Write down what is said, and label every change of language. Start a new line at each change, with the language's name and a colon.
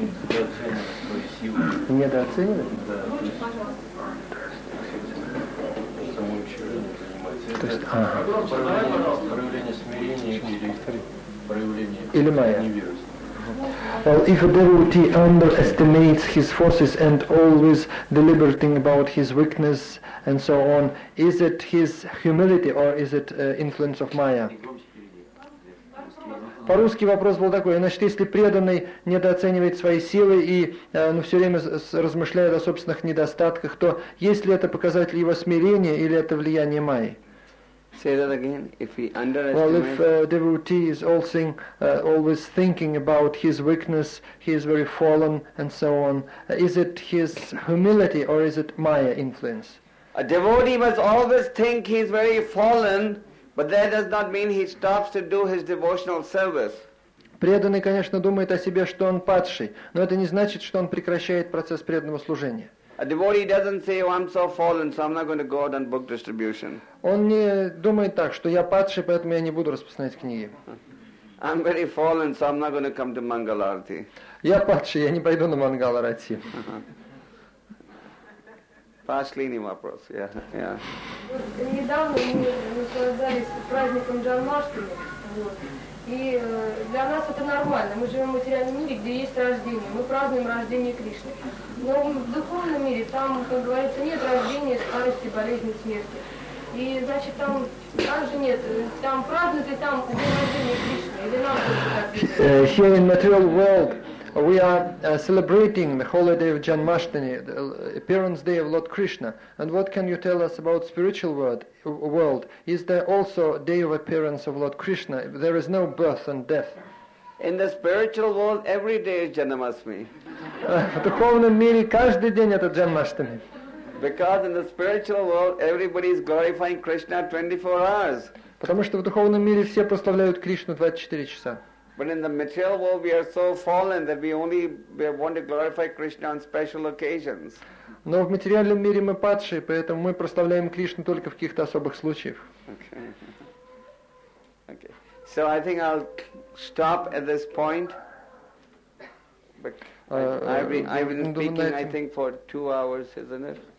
English: Yeah.
Russian: Недооценивает? Да. То есть, ага. Проявление смирения или майя.
English: Well, if a devotee underestimates his forces and always deliberating about his weakness and so on, is it his humility or is it influence of Maya?
Russian: По-русски вопрос был такой. Значит, если преданный недооценивает свои силы и все время размышляет о собственных недостатках, то есть ли это показатель его смирения или это влияние Майи?
English: Say that again. If he underestimates. Well, if a devotee is always thinking about his weakness, he is very fallen, and so on. Is it his humility or is it Maya influence? A devotee must always think he is very fallen, but that does not mean he stops to do his devotional service.
Russian: Преданный, конечно, думает о себе, что он падший, но это не значит, что он прекращает процесс преданного служения.
English: A devotee doesn't say, oh, I'm so fallen, so I'm not going to go out on book distribution.
Russian: Он не думает так, что я падший, поэтому я не буду распространять книги.
English: I'm very fallen, so I'm not going to come to Mangal Arati.
Russian: Я падший, я не пойду на Мангал Арати. Последний вопрос. Я. Вот, недавно мы наслаждались праздником Джанмаштами. Вот. И для нас это нормально. Мы живем в материальном мире, где есть рождение. Мы празднуем рождение Кришны. Но в духовном мире там, как говорится, нет рождения, старости, болезни, смерти. И, значит, там также нет. Там празднуют и там день рождения Кришны. Или нам тоже так.
English: Here in material world. We are celebrating the holiday of Janmashtami, the appearance day of Lord Krishna. And what can you tell us about spiritual world? Is there also a day of appearance of Lord Krishna? There is no birth and death. In the spiritual world, every day is Janmashtami.
Russian: В духовном мире каждый день это Janmashtami.
English: Because in the spiritual world, everybody is glorifying Krishna 24 hours.
Russian: Потому что в духовном мире все прославляют Кришну 24 часа.
English: But in the material world, we are so fallen that we want to glorify Krishna on special occasions.
Russian: Но в материальном мире мы падшие, поэтому мы прославляем Кришну только в каких-то особых случаях.
English: Okay. So I think I'll stop at this point. I've been speaking, I think, for 2 hours, isn't it?